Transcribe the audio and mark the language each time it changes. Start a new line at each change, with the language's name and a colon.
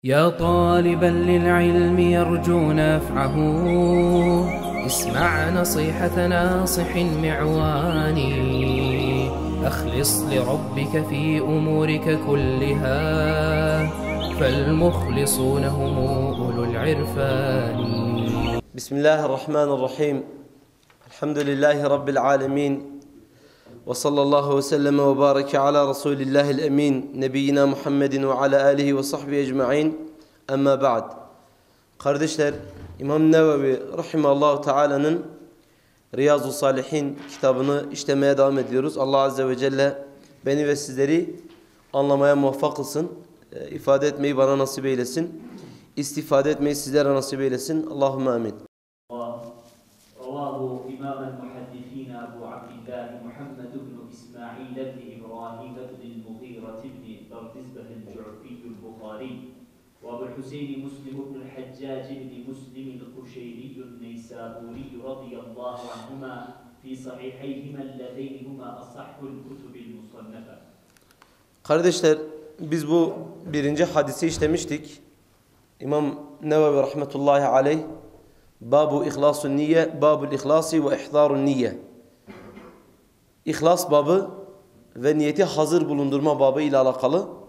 Arabic: يا طالبا للعلم يرجو نفعه اسمع نصيحة ناصح معواني أخلص لربك في أمورك كلها فالمخلصون هم أولو العرفان. بسم الله الرحمن الرحيم، الحمد لله رب العالمين، وصلى الله وسلم وبارك على رسول الله الأمين نبينا محمد وعلى آله وصحبه أجمعين. Ama بعد.
Turkish: Kardeşler, İmam Nevevi rahimehullahu teala'nın Riyazu Salihin kitabını işlemeye devam ediyoruz. Allah azze ve celle beni ve sizleri anlamaya muvaffak kılsın. İfade etmeyi bana nasip eylesin. İstifade etmeyi sizlere nasip eylesin. Allahümme amin.
Arabic: Allahu İmam el-Muhaddisin Abu Abdillah Muhammed ibn İsmail ibn İbrahim ibn Mughira ibn Tirmizi el-Cu'fi el-Buhari وابو الحسين مسلم بن الحجاج بن مسلم القشيري النيسابوري رضي الله عنهما في صحيحيهما اللذين هما أصح الكتب المصنفة.
Turkish: Kardeşler, biz bu birinci hadisi işlemiştik. İmam Nevevi rahmetullahi aleyh
Arabic: babu ihlasun niyye, babul ihlasi ve ihdarun niyye.
Turkish: İhlas babı ve niyeti hazır bulundurma babı ile alakalı.